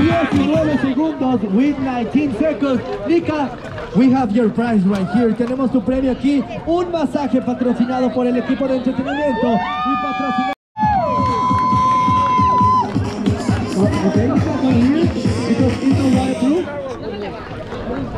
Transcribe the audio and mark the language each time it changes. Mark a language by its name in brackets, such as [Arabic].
[English] With 19 seconds, Nika, we have your prize right here. [Spanish] Tenemos tu premio aquí, un masaje patrocinado por el equipo de entretenimiento y patrocinado. [English] Okay, you can come here because it's not waterproof.